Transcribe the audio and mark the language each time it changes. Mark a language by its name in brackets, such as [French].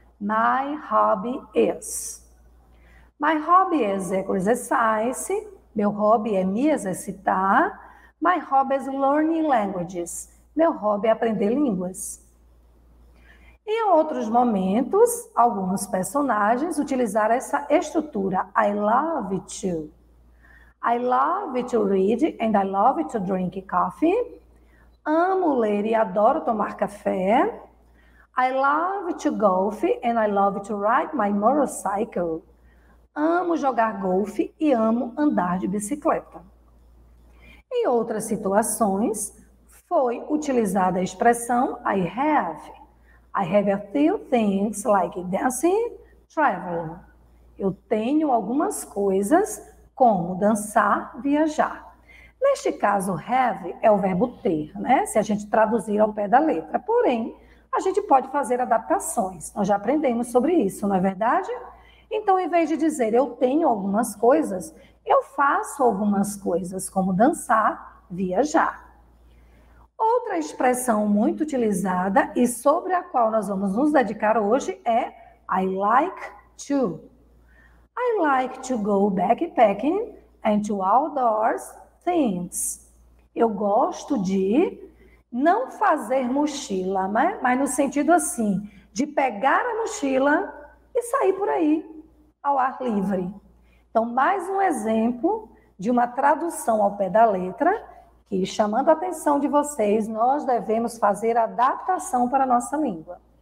[English] My hobby is. My hobby is exercise. [Portuguese] Meu hobby é me exercitar. [English] My hobby is learning languages. [Portuguese] Meu hobby é aprender línguas. Em outros momentos, alguns personagens utilizaram essa estrutura. [English] I love to. I love to read and I love to drink coffee. [Portuguese] Amo ler e adoro tomar café. [English] I love to golf and I love to ride my motorcycle. [Portuguese] Amo jogar golfe e amo andar de bicicleta. Em outras situações, foi utilizada a expressão I have. [English] I have a few things like dancing, traveling. [Portuguese] Eu tenho algumas coisas como dançar, viajar. Neste caso, have é o verbo ter, né? Se a gente traduzir ao pé da letra. Porém, a gente pode fazer adaptações. Nós já aprendemos sobre isso, não é verdade? Então, em vez de dizer eu tenho algumas coisas, eu faço algumas coisas, como dançar, viajar. Outra expressão muito utilizada e sobre a qual nós vamos nos dedicar hoje é I like to. [English] I like to go backpacking and to outdoors things. [Portuguese] Eu gosto de não fazer mochila, mas no sentido assim, de pegar a mochila e sair por aí ao ar livre. Então, mais um exemplo de uma tradução ao pé da letra que, chamando a atenção de vocês, nós devemos fazer adaptação para a nossa língua.